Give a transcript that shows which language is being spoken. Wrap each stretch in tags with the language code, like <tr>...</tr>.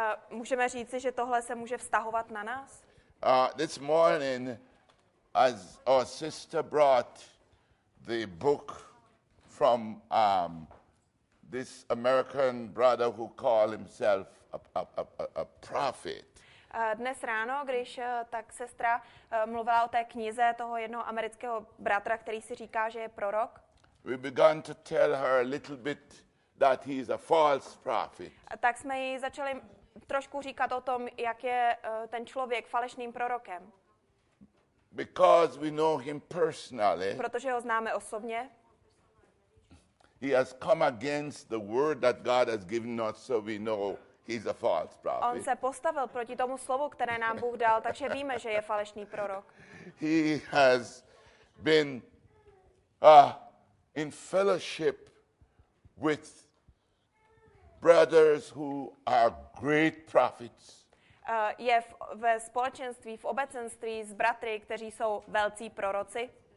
<cs>Můžeme říci, že tohle se může vztahovat na nás?</cs> <en>This morning, as our sister brought the book from this American brother who called himself a prophet.</en> <cs>Dnes ráno, když tak sestra mluvila o té knize toho jednoho amerického bratra, který si říká, že je prorok.</cs> <en>We began to tell her a little bit that he is a false prophet.</en> <cs>Tak jsme jí začali trošku říkat o tom, jak je ten člověk falešným prorokem.</cs> <en>Because we know him personally.</en> <cs>Protože ho známe osobně.</cs> <en>He has come against the word that God has given us, so we know he's a false prophet.</en> <cs>On se postavil proti tomu slovu, které nám Bůh dal, takže víme, že je falešný prorok.</cs> <en>He has been in fellowship with brothers who are great prophets.</en> <cs>Je ve společenství, v obecenství s bratry, kteří jsou velcí proroci.</cs>